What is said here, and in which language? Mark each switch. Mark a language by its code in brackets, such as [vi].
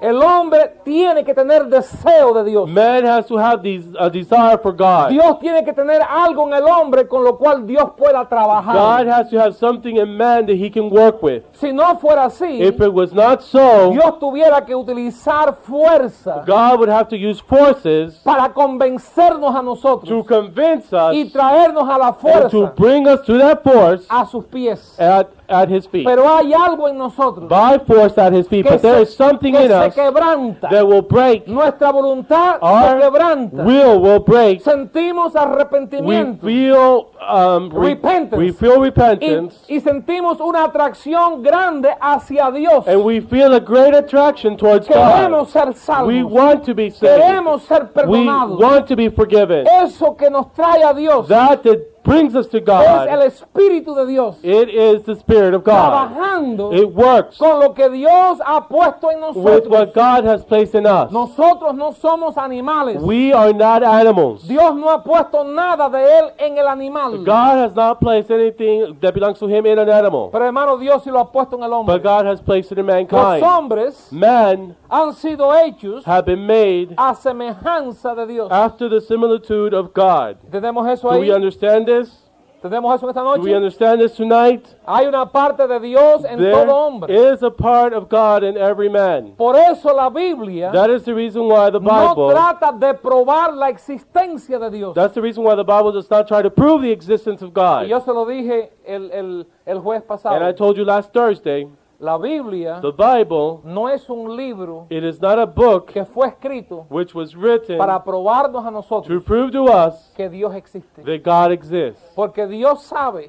[es] El hombre tiene que tener deseo de Dios. [en] Man has to have a desire for God. [es] Dios tiene que tener algo en el hombre con lo cual Dios pueda trabajar. [en] God has to have something in man that he can work with. [es] Si no fuera así, [en] if it was not so, [es] Dios tuviera que utilizar fuerza. [en] God would have to use forces [es] para convencernos a nosotros. [en] To convince us. [es] Y traernos a la fuerza. [en] And to bring us to that force. [es] A sus pies. [en] At his feet. [es] Pero hay algo en nosotros. [en] By force at his feet. [es] Que [en] but there is something [es] que [en] in us [es] quebranta. [en] That will break. [es] Nuestra voluntad [en] Our [es] se quebranta. [en] Will break. [es] Sentimos arrepentimiento. [en] We feel repentance. We feel repentance. [es] Y sentimos una atracción grande hacia Dios. [en] And we feel a great attraction towards [es] Queremos [en] God. [es] Ser salvos. [en] We want to be saved. [es] Queremos ser perdonados. [en] We want to be forgiven. [es] Eso que nos trae a Dios. [en] That brings us to God. [es] Es el Espíritu de Dios. [en] It is the Spirit of God. [es] Trabajando [en] it works [es] con lo que Dios ha puesto en nosotros. [en] With what God has placed in us. [es] Nosotros no somos animales. [en] We are not animals. [es] Dios no ha puesto nada de él en el animal. [en] God has not placed anything that belongs to him in an animal. [es] Pero hermano, Dios sí lo ha puesto en el hombre. [en] But God has placed it in mankind. [es] Los hombres [en] Men [es] han sido hechos [en] have been made [es] a semejanza de Dios. [en] After the similitude of God. [es] ¿Tenemos eso ahí? [en] Do we understand this? [es] ¿Tenemos eso esta noche? [en] Do we understand this tonight? [es] Hay una parte de Dios en [en] There [es] todo hombre. [en] Is a part of God in every man. [es] Por eso la Biblia [en] That is the reason why the Bible [es] no trata de probar la existencia de Dios. [en] That's the reason why the Bible does not try to prove the existence of God. [es] Y yo se lo dije el jueves pasado. [en] And I told you last Thursday. [es] La Biblia [en] the Bible [es] no es un libro [en] it is not a book [es] que fue escrito [en] which was written [es] para probarnos a nosotros [en] to prove to us [es] que Dios existe. [en] That God exists. [es] Porque Dios sabe